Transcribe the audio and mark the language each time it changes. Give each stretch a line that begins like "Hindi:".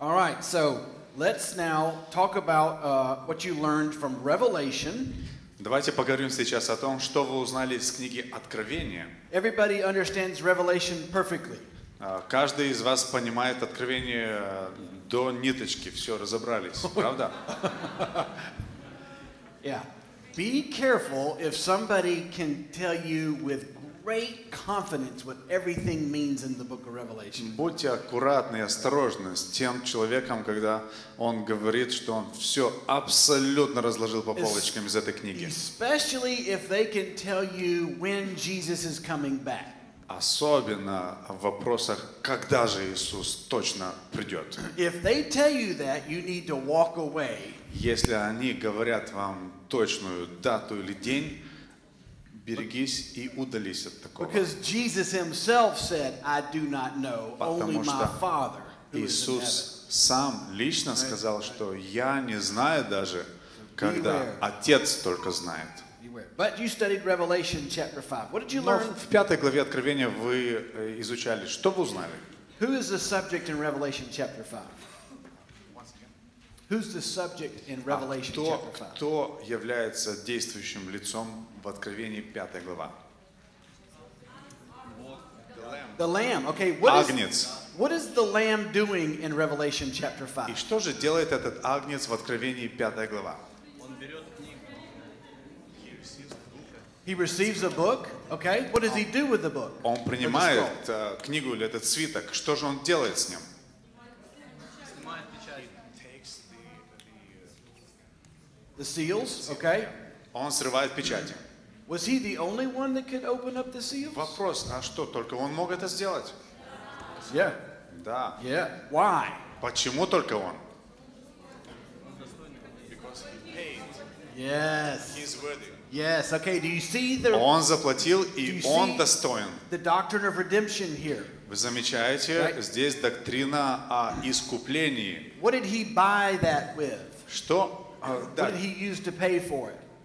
English: All right, so let's now talk about what you learned from Revelation.
Russian: Давайте поговорим сейчас о том, что вы узнали из книги Откровения.
English: Everybody understands Revelation perfectly.
Russian: Каждый из вас понимает Откровение до ниточки, все разобрались, правда?
English: Yeah. Be careful if somebody can tell you with great confidence what everything means in the book of Revelation.
Russian: Будьте аккуратны и осторожны с тем человеком, когда он говорит, что он все абсолютно разложил по полочкам из этой книги.
English: Especially if they can tell you when Jesus is coming back.
Russian: Особенно в вопросах, когда же Иисус точно придет.
English: If they tell you that, you need to walk away.
Russian: Если они говорят вам точную дату или день, берегись и удались от такого.
English: Because Jesus himself said, I do not know, only my Father.
Russian: Иисус сам лично сказал, что я не знаю даже, когда Отец только знает.
English: But you studied Revelation chapter 5. What did you learn?
Russian: В пятой главе Откровения вы изучали. Что вы узнали?
English: Who is the subject in Revelation chapter 5? Who's the subject in Revelation chapter 5?
Russian: Кто является действующим лицом в Откровении, пятая глава.
English: The lamb. Okay, what
Russian: Агнец.
English: What is the lamb doing in Revelation chapter 5?
Russian: И что же делает этот Агнец в Откровении, пятая глава? Он берет книгу.
English: He receives a book. Okay, what does he do with the book?
Russian: Он принимает книгу или этот свиток. Что же он делает с ним? Снимает печать.
English: The seals, okay.
Russian: Он срывает печати.
English: Was he the only one that could open up the seals?
Russian: Вопрос, а что, только он мог это сделать?
English: Yeah.
Russian: Да.
English: Yeah. Why?
Russian: Почему только он?
English: Because he paid. Yes. He's worthy. Yes. Okay, do you see the
Russian: Он заплатил и он достоин.
English: The doctrine of redemption here.
Russian: Вы замечаете, right? Здесь доктрина о искуплении.
English: What did he buy that with?
Russian: Что?
English: What did he use to pay for it?